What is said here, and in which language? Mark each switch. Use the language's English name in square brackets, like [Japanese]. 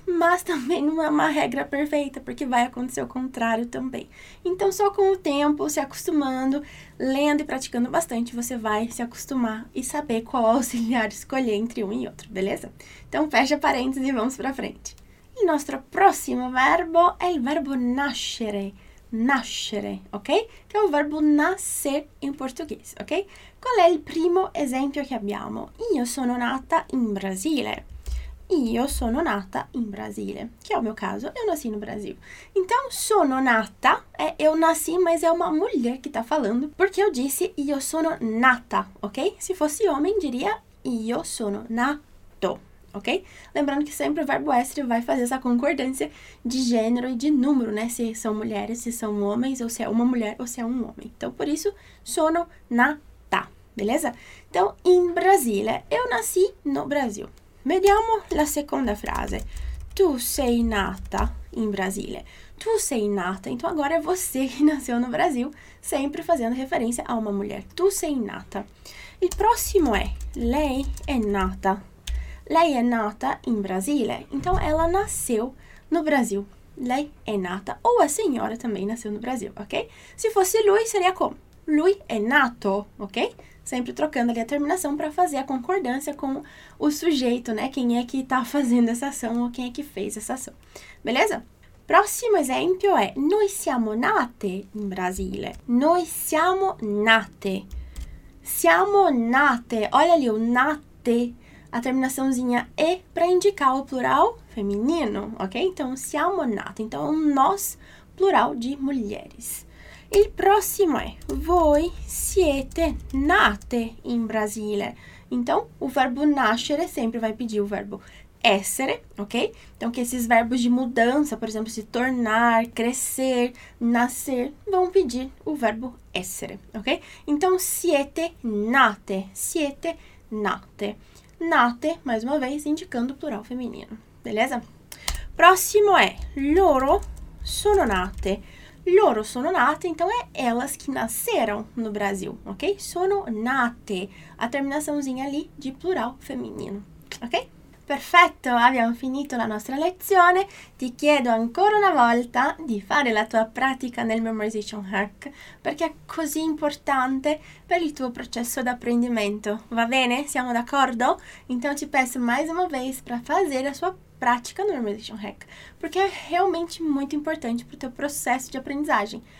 [Portuguese] Mas também não é uma regra perfeita, porque vai acontecer o contrário também. Então, só com o tempo, se acostumando, lendo e praticando bastante, você vai se acostumar e saber qual auxiliar escolher entre um e outro, beleza? Então, fecha parênteses e vamos para frente. [Italian] Il nostro prossimo verbo è il verbo nascere, nascere, ok? Che è un verbo nascere in portoghese, ok? Qual è il primo esempio che abbiamo? Io sono nata in Brasile. Io sono nata in Brasile, [Portuguese] que é o meu caso, eu nasci no Brasil. Então, [Italian] sono nata [Portuguese] é eu nasci, mas é uma mulher que tá falando, porque eu disse [Italian] io sono nata, [Portuguese] ok? Se fosse homem, diria [Italian] io sono nato, [Portuguese] ok? Lembrando que sempre o verbo estre vai fazer essa concordância de gênero e de número, né? Se são mulheres, se são homens, ou se é uma mulher, ou se é um homem. Então, por isso, sono nata, beleza? Então, in Brasile, eu nasci no Brasil. [Italian] Vediamo la seconda frase. Tu sei nata in Brasile. Tu sei nata. [Portuguese] Então agora é você que nasceu no Brasil, sempre fazendo referência a uma mulher. [Italian] Tu sei nata. Il prossimo è lei è nata. Lei è nata in Brasile. [Portuguese] Então ela nasceu no Brasil. [Italian] Lei è nata. [Portuguese] Ou a senhora também nasceu no Brasil, ok? Se fosse lui, seria como? [Italian] Lui è nato, [Portuguese] ok? Sempre trocando ali a terminação para fazer a concordância com o sujeito, né? Quem é que está fazendo essa ação ou quem é que fez essa ação. Beleza? Próximo exemplo é: [Italian] Noi siamo nate in Brasile. Noi siamo nate. Siamo nate. [Portuguese] Olha ali o nate. A terminaçãozinha e para indicar o plural feminino, ok? Então, [Italian] siamo nate. [Portuguese] Então, nós, plural de mulheres. [Italian] Il prossimo è voi siete nate in Brasile. [Portuguese] Então, o verbo nascere sempre vai pedir o verbo essere, ok? Então, que esses verbos de mudança, por exemplo, se tornar, crescer, nascer, vão pedir o verbo essere, ok? [Italian] Então, siete nate. Siete nate. [Portuguese] Nate, mais uma vez, indicando o plural feminino, beleza? Próximo é [Italian] loro sono nate. Loro sono nate, [Portuguese] então é elas que nasceram no Brasil, ok? [Italian] Sono nate, [Portuguese] a terminaçãozinha ali de plural feminino, ok? [Italian] Perfetto, abbiamo finito la nostra lezione. Ti chiedo ancora una volta di fare la tua pratica nel Memorization Hack, perché è così importante per il tuo processo d'apprendimento. Va bene? Siamo d'accordo? [Portuguese] Então ti peço mais uma vez para fazer a sua prática no Memorization Hack, porque é realmente muito importante para o teu processo de aprendizagem.